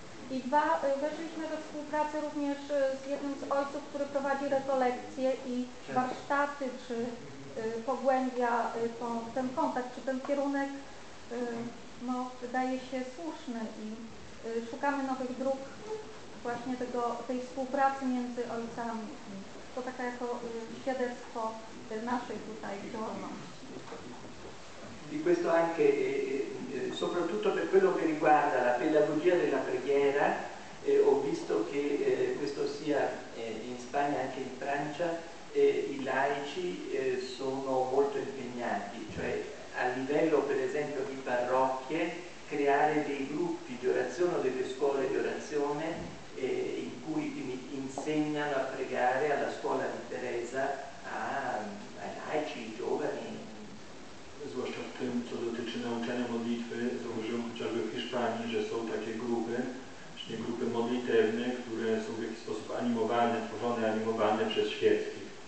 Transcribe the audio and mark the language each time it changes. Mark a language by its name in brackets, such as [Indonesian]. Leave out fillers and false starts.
[Polish] I dwa, weszliśmy we współpracę również z jednym z ojców, który prowadzi rekolekcje i warsztaty, czy pogłębia ten kontakt, czy ten kierunek, no, wydaje się słuszny i szukamy nowych dróg właśnie tej współpracy między ojcami. To taka jako świadectwo naszej tutaj działalności. [Italian] Di questo anche, soprattutto per quello che riguarda la pedagogia della preghiera, ho visto che questo sia in Spagna anche in Francia, i laici sono molto impegnati, cioè a livello per esempio di parrocchie, creare dei gruppi di orazione o delle scuole di orazione in cui insegnano a pregare alla scuola di Teresa ai laici, ai giovani. [Polish] Zwłaszcza w tym, co dotyczy nauczania modlitwy, zauważyłem chociażby w Hiszpanii, że są takie grupy, właśnie grupy modlitewne, które są w jakiś sposób animowane, tworzone, animowane przez świeckich.